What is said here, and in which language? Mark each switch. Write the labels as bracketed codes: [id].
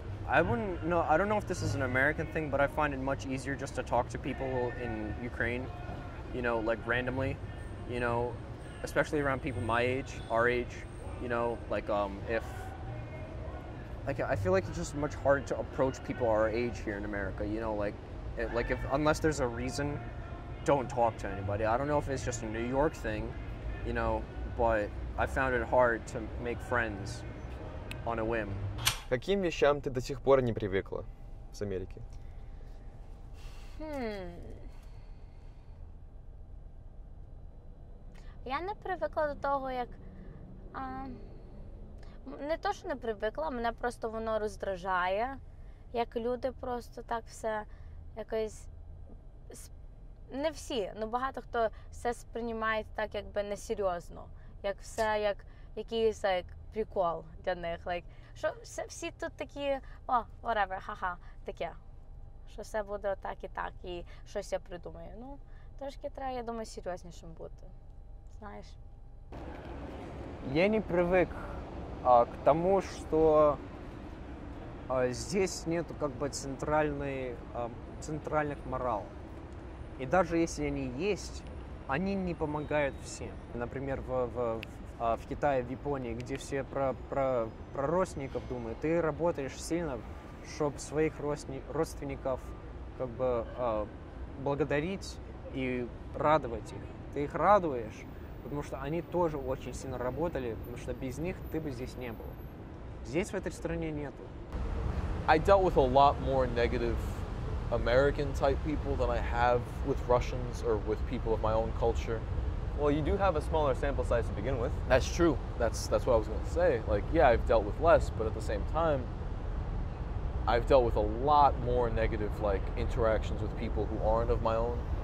[en] I wouldn't know, I don't know if this is an American thing, but I find it much easier just to talk to people in Ukraine, you know, like randomly, you know, especially around people my age, our age, you know, like, if, like, I feel like it's just much harder to approach people our age here in America, you know, like, it, like if unless there's a reason, don't talk to anybody. I don't know if it's just a New York thing, you know, but I found it hard to make friends on a whim. [ru] Каким вещам ты до сих пор не привыкла с Америки? [uk] Я не привыкла до того, як... Не то, що не привикла, мене просто воно роздражає, як люди просто так все якось, не всі, ну багато хто все сприймає так якби несерйозно, як все, як якийсь як прикол для них, like, що все, всі тут такі, о, whatever, ха-ха, таке, що все буде так і так, і щось я придумаю, ну, трошки треба, я думаю, серйознішим бути, знаєш. Я не привик. [ru] К тому, что здесь нет как бы центральной, центральных морал. И даже если они есть, они не помогают всем. Например, в Китае, в Японии, где все про родственников думают, ты работаешь сильно, чтобы своих родственников как бы благодарить и радовать их. Ты их радуешь. Потому что они тоже очень сильно работали, потому что без них ты бы здесь не был. Здесь в этой стране нету. [en] I dealt with a lot more negative American type people than I have with Russians or with people of my own culture. Well, you do have a smaller sample size to begin with. That's true. That's what I was going to say. Like, yeah, I've dealt with less, but at the same time, I've dealt with a lot more negative, like, interactions with people who aren't of my own.